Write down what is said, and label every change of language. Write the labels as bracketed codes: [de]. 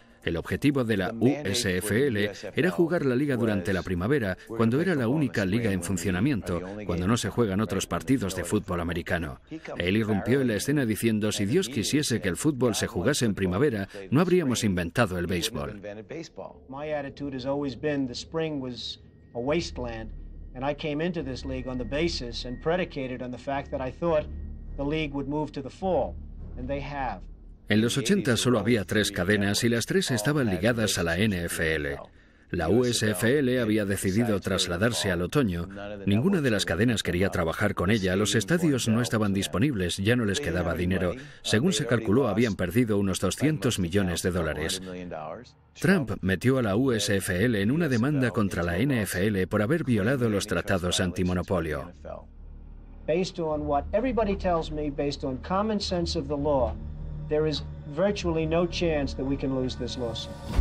[es] El objetivo de la USFL era jugar la liga durante la primavera, cuando era la única liga en funcionamiento, cuando no se juegan otros partidos de fútbol americano. Él irrumpió en la escena diciendo, si Dios quisiese que el fútbol se jugase en primavera, no habríamos inventado el béisbol. [en] My attitude has always been the spring was a wasteland, and I came into this league on the basis and predicated on the fact that I thought the league would move to the fall, and they have. [es] En los 80 solo había tres cadenas y las tres estaban ligadas a la NFL. La USFL había decidido trasladarse al otoño. Ninguna de las cadenas quería trabajar con ella. Los estadios no estaban disponibles, ya no les quedaba dinero. Según se calculó, habían perdido unos 200 millones de dólares. Trump metió a la USFL en una demanda contra la NFL por haber violado los tratados antimonopolio. [en] Based on what everybody tells me, based on common sense of the law, there is virtually no chance that we can lose this lawsuit.